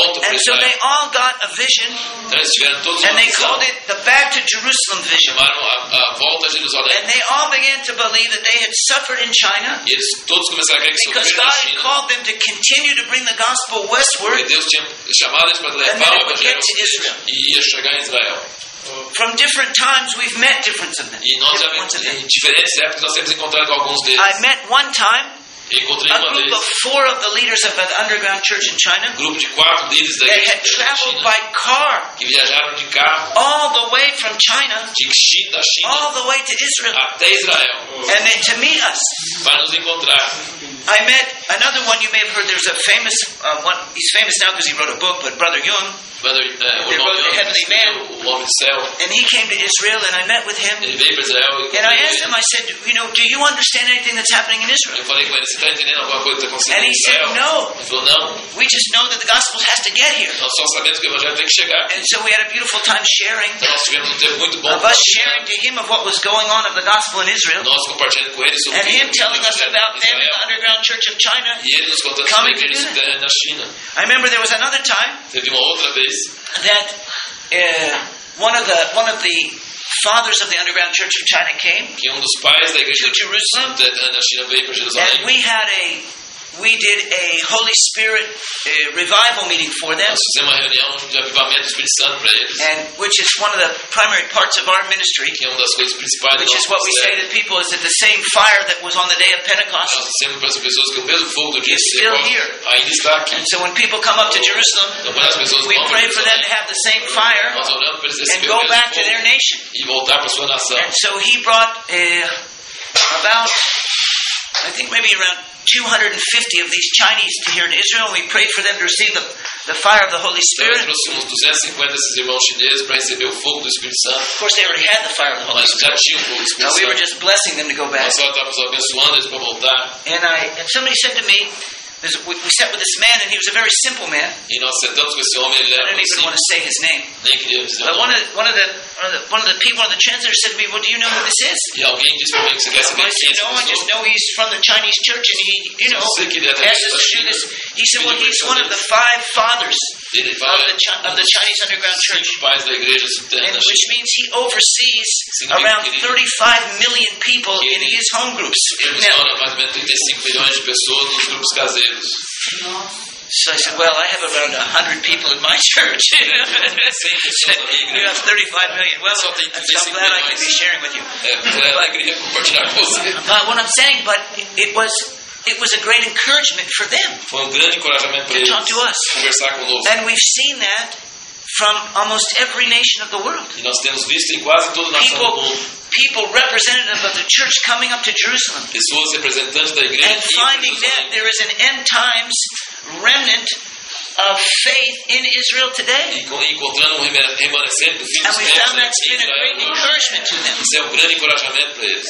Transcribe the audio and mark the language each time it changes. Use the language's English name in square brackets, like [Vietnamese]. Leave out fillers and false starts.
[English] And so they all got a vision and they called it the Back to Jerusalem vision. And they all began to believe that they had suffered in China because God had called them to continue to bring the gospel westward and then it would get to Israel. From different times, we've met different of them. [Portuguese] E nós já vimos em diferentes épocas, nós temos encontrado alguns deles. [English] I met one time. [Portuguese] Encontrei [English] a group of four of the leaders of the underground church in China. [Portuguese] Grupo de quatro líderes da igreja [English] China. They had traveled by car. [Portuguese] Que viajaram de carro. [English] All the way from China. [Portuguese] De China, da China. [English] All the way to Israel. [Portuguese] Até Israel. [English] And then to meet us. [Portuguese] Para nos encontrar. [English] I met another one you may have heard. There's a famous one. He's famous now because he wrote a book. But Brother Jung. And he came to Israel and I met with him. [Portuguese] Ele veio para Israel, [English] and I asked him, I said, you know, do you understand anything that's happening in Israel? [Portuguese] Eu falei com ele, está entendendo alguma coisa que está acontecendo [English] and he said, no. [Portuguese] Ele falou, não. [English] We just know that the gospel has to get here. [Portuguese] Nós só sabemos que o evangelho tem que chegar. [English] And so we had a beautiful time sharing. [Portuguese] Então nós tivemos um tempo muito bom. [English] Of us sharing to him of what was going on of the gospel in Israel. [Portuguese] Nós compartilhando com ele sobre [English] and him telling us about them in the underground church of China. [Portuguese] E ele nos contando sobre a igreja na China. [English] I remember there was another time. [Portuguese] Teve uma outra vez. [English] That one of the fathers of the underground church of China came to Jerusalem, and we did a Holy Spirit revival meeting for them, and which is one of the primary parts of our ministry, which is what we say to the people, is that the same fire that was on the day of Pentecost is still here. And so when people come up to Jerusalem, we pray for them to have the same fire and go back to their nation. And so he brought around 250 of these Chinese here in Israel, and we prayed for them to receive the fire of the Holy Spirit. [Portuguese] Então, trouxemos 250 desses irmãos chineses para receber o fogo do Espírito Santo. [English] Of course, they already had the fire of the Holy Spirit. [Portuguese] Mas já tinham o fogo do Espírito Santo. [English] Now, we were just blessing them to go back. [Portuguese] Nós só estávamos abençoando eles para voltar. [English] And somebody said to me, we sat with this man, and he was a very simple man. [Portuguese] E nós sentamos com esse homem, ele era simples. [English] I don't even want to say his name. [Portuguese] Nem queria dizer o nome. [English] But one of the people on the translator said to me, well, do you know who this is? [Portuguese] Alguém disse para mim que você quer saber quem é esse pessoa? [English] I just know he's from the Chinese church, and he, you know, asked us to do this. He said, well, he's one of the five fathers of the Chinese underground church. Which means he oversees around 35 million people in his home groups. [Portuguese] Supervisiona mais ou menos 35 milhões de pessoas nos grupos caseiros. [English] So I said, well, I have around 100 people in my church. You have 35 million. Well, I'm glad I can be sharing with you. What I'm saying, but it was a great encouragement for them. [Portuguese] Foi um grande encorajamento para eles. [English] To talk to us. [Portuguese] Conversar conosco. [English] And we've seen that from almost every nation of the world. [Portuguese] E nós temos visto em quase toda a nação do mundo. [English] People representative of the church coming up to Jerusalem. [Portuguese] Pessoas representantes da igreja. [English] And finding that there is an end times remnant of faith in Israel today. [Portuguese] Encontrando um remanescente do fim dos tempos. [English] And we found that's been a great encouragement to them. [Portuguese] Isso é um grande encorajamento para eles.